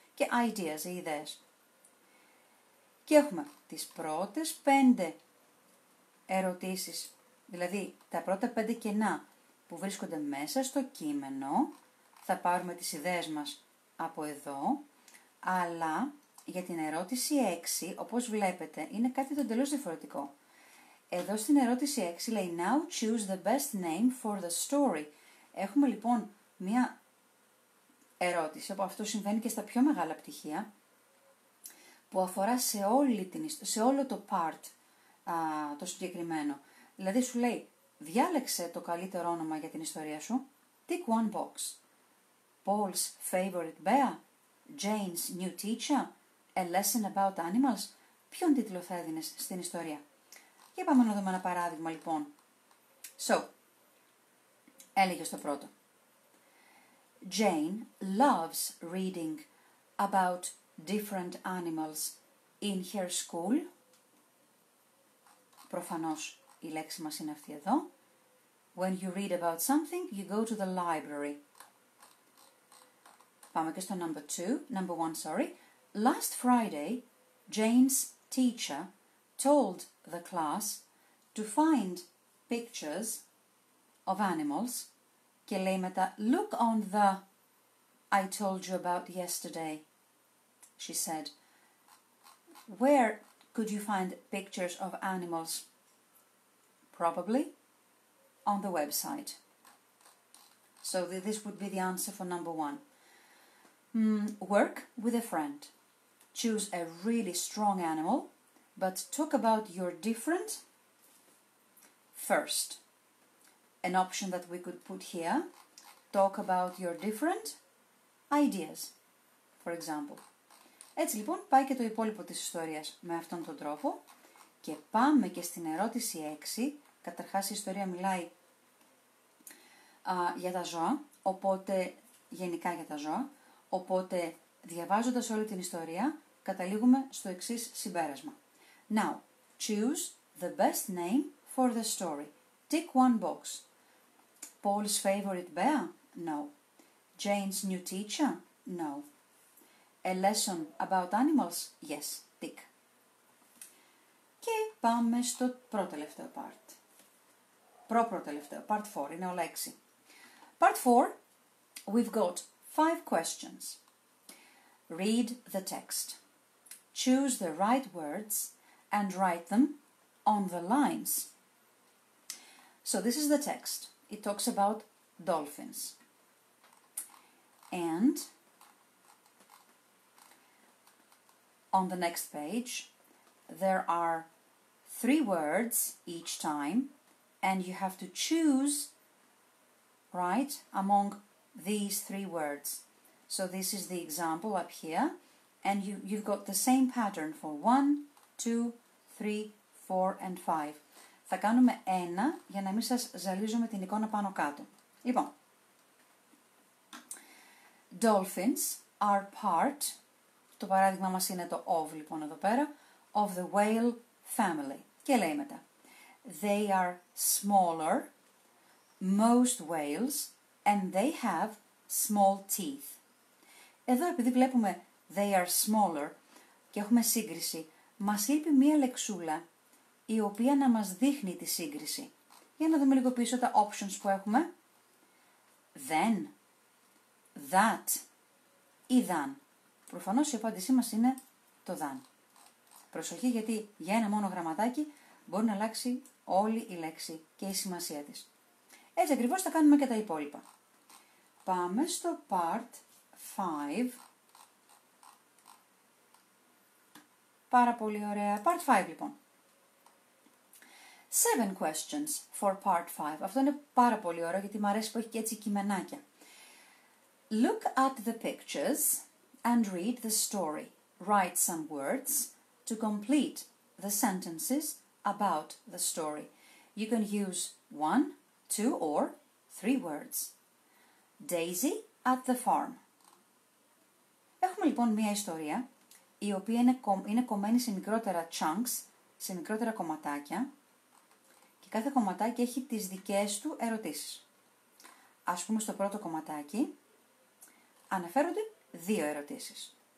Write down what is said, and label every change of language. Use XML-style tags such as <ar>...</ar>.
<el>Και ideas, οι ιδέες. Και έχουμε τις πρώτες 5 ερωτήσεις, δηλαδή τα πρώτα 5 κενά που βρίσκονται μέσα στο κείμενο. Θα πάρουμε τις ιδέες μας από εδώ, αλλά για την ερώτηση 6, όπως βλέπετε, είναι κάτι το εντελώς διαφορετικό. Εδώ στην ερώτηση 6 λέει,</el> <en>now choose the best name for the story.</en> <el>Έχουμε λοιπόν μία ερώτηση, που αυτό συμβαίνει και στα πιο μεγάλα πτυχία, που αφορά σε όλο το part το συγκεκριμένο. Δηλαδή σου λέει, διάλεξε το καλύτερο όνομα για την ιστορία σου.</el> <en>Tick one box. Paul's favorite bear. Jane's new teacher. A lesson about animals.</en> <el>Ποιον τίτλο θα έδινες στην ιστορία. Για πάμε να δούμε ένα παράδειγμα λοιπόν. So, έλεγε στο πρώτο.</el> <en>Jane loves reading about different animals in her school.</en> <el>Προφανώς η λέξη μας είναι αυτή εδώ.</el> <en>When you read about something, you go to the library.</en> <el>Πάμε και στο number one.</el> <en>Last Friday, Jane's teacher told the class to find pictures of animals.</en> <el>Και λέει μετά,</el> <en>look on the I told you about yesterday. She said, where could you find pictures of animals? Probably on the website. So this would be the answer for number one. Work with a friend. Choose a really strong animal, but talk about your different first. An option that we could put here, talk about your different ideas, for example.</en> <el>Έτσι λοιπόν πάει και το υπόλοιπο της ιστορίας με αυτόν τον τρόπο και πάμε και στην ερώτηση 6. Καταρχάς η ιστορία μιλάει για τα ζώα, οπότε γενικά για τα ζώα, οπότε διαβάζοντας όλη την ιστορία καταλήγουμε στο εξής συμπέρασμα.</el> <en>Now, choose the best name for the story. Tick one box. Paul's favorite bear? No. Jane's new teacher? No. A lesson about animals? Yes, tick.</en> <el>Και πάμε στο προτελευταίο part. Προτελευταίο, part 4, είναι όλα 6.</el> <en>Part 4, we've got 5 questions. Read the text. Choose the right words and write them on the lines. So this is the text. It talks about dolphins. And on the next page, there are 3 words each time, and you have to choose, right, among these 3 words. So this is the example up here, and you've got the same pattern for 1, 2, 3, 4, and 5.</en> <el>Θα κάνουμε ένα για να μην σας ζαλίζουμε την εικόνα πάνω κάτω.</el> <en>Λοιπόν, dolphins are part.</en> <el>Το παράδειγμα μας είναι το ov, λοιπόν, εδώ πέρα,</el> <en>of the whale family.</en> <el>Και λέει μετά,</el> <en>they are smaller, most whales, and they have small teeth.</en> <el>Εδώ, επειδή βλέπουμε</el> <en>they are smaller</en> <el>και έχουμε σύγκριση, μας λείπει μία λεξούλα η οποία να μας δείχνει τη σύγκριση. Για να δούμε λίγο πίσω τα options που έχουμε. Then, that ή than. Προφανώς η απάντησή μας είναι το δαν. Προσοχή, γιατί για ένα μόνο γραμματάκι μπορεί να αλλάξει όλη η λέξη και η σημασία της. Έτσι ακριβώς θα κάνουμε και τα υπόλοιπα. Πάμε στο part 5. Πάρα πολύ ωραία. Part 5 λοιπόν.</el> <en>7 questions for part 5.</en> <el>Αυτό είναι πάρα πολύ ωραίο γιατί μου αρέσει που έχει και έτσι κειμενάκια.</el> <en>Look at the pictures and read the story. Write some words to complete the sentences about the story. You can use one, two or three words. Daisy at the farm.</en> <el>Έχουμε λοιπόν μία ιστορία η οποία είναι κομμένη σε μικρότερα chunks, σε μικρότερα κομματάκια και κάθε κομματάκι έχει τις δικές του ερωτήσεις. Ας πούμε στο πρώτο κομματάκι αναφέρονται δύο ερωτήσεις.</el>